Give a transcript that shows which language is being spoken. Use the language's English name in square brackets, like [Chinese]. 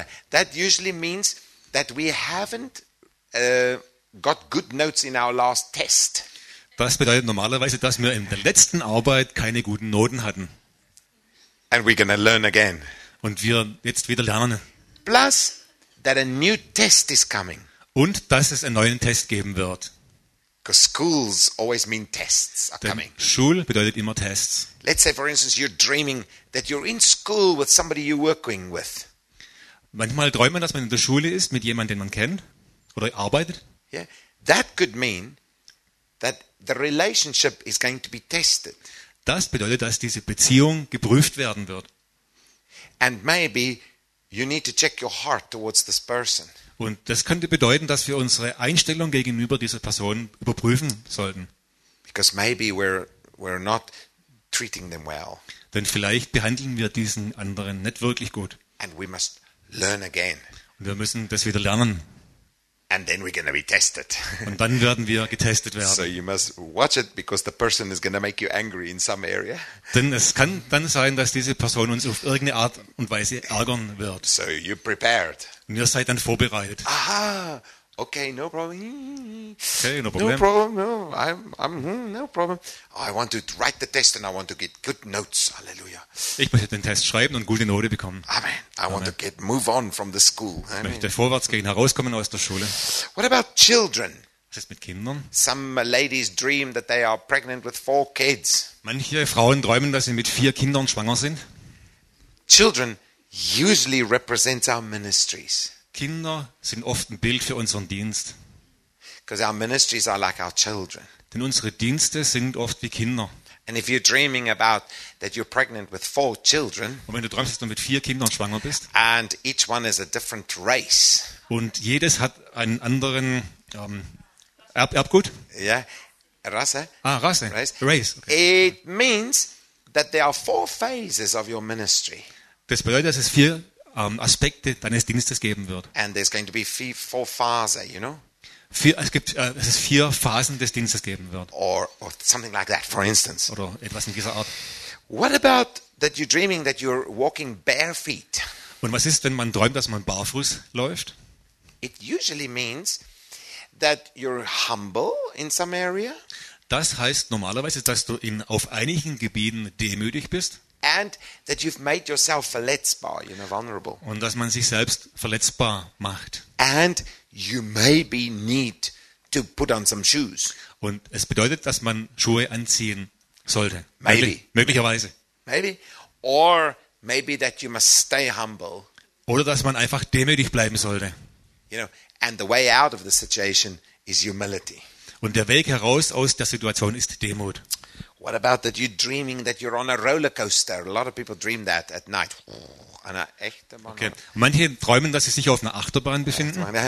[English] That usually means that we haven't got good notes in our last test. [German] Das bedeutet normalerweise, dass wir in der letzten Arbeit keine guten Noten hatten. [English] And we're gonna learn again. [German] Und wir jetzt wieder lernen. [English] Plus that a new test is coming. [German] Und dass es einen neuen Test geben wird. [English] Because schools always mean tests are coming. [German] Schule bedeutet immer Tests. [English] Let's say for instance you're dreaming that you're in school with somebody you're working with. [German] Manchmal träumt man, dass man in der Schule ist mit jemandem, den man kennt oder arbeitet. [English] Yeah. That could mean that the relationship is going to be tested. [German] Das bedeutet, dass diese Beziehung geprüft werden wird. [English] And maybe you need to check your heart towards this person. [German] Und das könnte bedeuten, dass wir unsere Einstellung gegenüber dieser Person überprüfen sollten. [English] Because maybe we're not treating them well. [German] Denn vielleicht behandeln wir diesen anderen nicht wirklich gut. [English] And we must learn again. [German] Und wir müssen das wieder lernen. [English] And then we're gonna be tested. [German] Und dann werden wir getestet werden. [English] So you must watch it because the person is gonna make you angry in some area. [German] Denn es kann dann sein, dass diese Person uns auf irgendeine Art und Weise ärgern wird. [English] So you prepared. [German] Und ihr seid dann vorbereitet. [English] Aha. Okay, no problem. Okay, no problem. No problem. No, I'm no problem. I want to write the test and I want to get good notes. Hallelujah. [German] Ich möchte den Test schreiben und gute Note bekommen. [English] Amen. I want to get move on from the school. [German] Ich möchte vorwärts gehen, herauskommen aus der Schule. [English] What about children? [German] Was ist mit Kindern? [English] Some ladies dream that they are pregnant with 4 kids. [German] Manche Frauen träumen, dass sie mit 4 Kindern schwanger sind. [English] Children usually represent our ministries. [German] Kinder sind oft ein Bild für unseren Dienst. [English] Because our ministries are like our children. [German] Denn unsere Dienste sind oft wie Kinder. [English] And if you're dreaming about that you're pregnant with 4 children. [German] Und wenn du träumst, dass du mit 4 Kindern schwanger bist. [English] And each one is a different race. [German] Und jedes hat einen anderen Erbgut. [English] Yeah. Rasse. [German] Ah, Rasse. [English] Race. Okay. It means that there are 4 phases of your ministry. [German] Das bedeutet, dass es 4 Aspekte deines Dienstes geben wird. [English] And there's going to be 4 phases, you know? [German] Es gibt 4 Phasen des Dienstes geben wird. [English] Or something like that, for instance. [German] Oder etwas in dieser Art. [English] What about that you're dreaming that you're walking barefoot? [German] Und was ist, wenn man träumt, dass man barfuß läuft? [English] It usually means that you're humble in some area. [German] Das heißt normalerweise, dass du in auf einigen Gebieten demütig bist. [English] And that you've made yourself verletzbar, you know, vulnerable. [German] Und dass man sich selbst verletzbar macht. [English] And you maybe need to put on some shoes. [German] Und es bedeutet, dass man Schuhe anziehen sollte. [English] Maybe. Möglicherweise. Maybe. Or maybe that you must stay humble. [German] Oder dass man einfach demütig bleiben sollte. [English] You know, and the way out of the situation is humility. [German] Und der Weg heraus aus der Situation ist Demut. [English] What about that you're dreaming that you're on a roller coaster? A lot of people dream that at night. [German] Eine echte Mann. [English] Okay. [German] Manche träumen, dass sie sich auf einer Achterbahn befinden.